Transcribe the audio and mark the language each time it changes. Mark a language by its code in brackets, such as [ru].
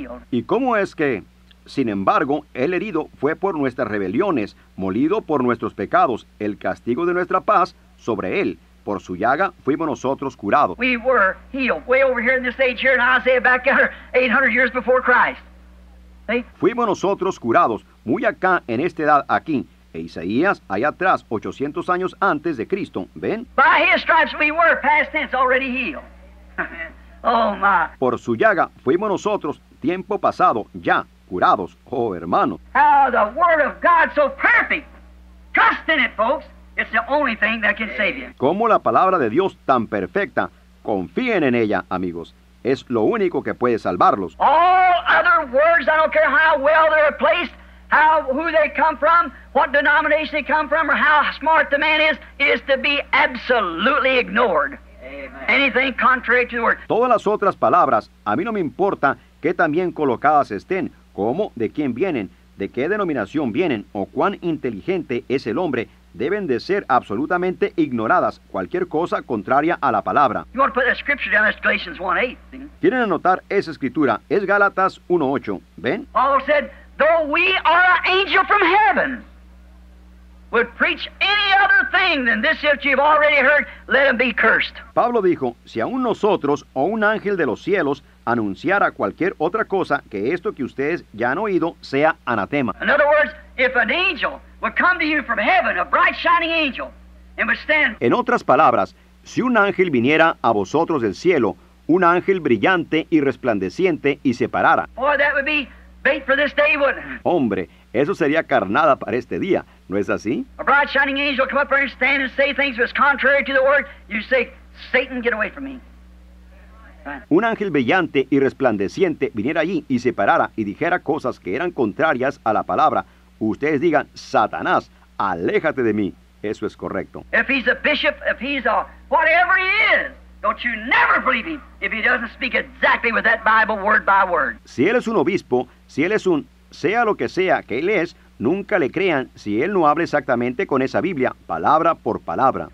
[es] ¿Y cómo es que, sin embargo, el herido fue por nuestras rebeliones, molido por nuestros pecados, el castigo de nuestra paz sobre él? Por su llaga fuimos nosotros curados. [en] We were healed way over here in this age here in Isaiah back there 800 years before Christ. See? [es] Fuimos nosotros curados muy acá en esta edad aquí. E Isaías allá atrás 800 años antes de Cristo. ¿Ven? [en] By his stripes we were past tense already healed. Oh my. [es] Por su llaga fuimos nosotros tiempo pasado ya curados. Oh hermano. [en] How the word of God so perfect. Trust in it, folks. It's the only thing that can save you. [es] Como la palabra de Dios tan perfecta, confíen en ella, amigos. Es lo único que puede salvarlos. [en] All other words, I don't care how well they're placed, who they come from, what denomination they come from, or how smart the man is to be absolutely ignored. Amen. Anything contrary to the word. [es] Todas las otras palabras, a mí no me importa qué tan bien colocadas estén, cómo, de quién vienen, de qué denominación vienen, o cuán inteligente es el hombre. Deben de ser absolutamente ignoradas cualquier cosa contraria a la palabra. [en] You want to put that scripture down, that's Galatians 1:8. [es] Quieren anotar esa escritura, es Gálatas 1:8. ¿Ven? [en] Paul said, though we are an angel from heaven, would preach any other thing than this which you've already heard, let him be cursed. [es] Pablo dijo, si aún nosotros o un ángel de los cielos anunciara cualquier otra cosa que esto que ustedes ya han oído sea anatema. [en] In other words, if an angel would come to you from heaven, a bright shining angel, and would stand. [es] En otras palabras, si un ángel viniera a vosotros del cielo, un ángel brillante y resplandeciente y se parara. [en] Boy, that would be bait for this day, wouldn't it? [es] Hombre, eso sería carnada para este día, ¿no es así? [en] A bright shining angel come up there and stand and say things that's contrary to the word. You say, Satan, get away from me. [es] Un ángel brillante y resplandeciente viniera allí y se parara y dijera cosas que eran contrarias a la palabra. Ustedes digan, Satanás, aléjate de mí. Eso es correcto. [en] If he's a bishop, if he's a whatever he is, don't you never believe him if he doesn't speak exactly with that Bible word by word. [es] Si él es un obispo, si él es un sea lo que sea que él es, nunca le crean si él no habla exactamente con esa Biblia, palabra por palabra.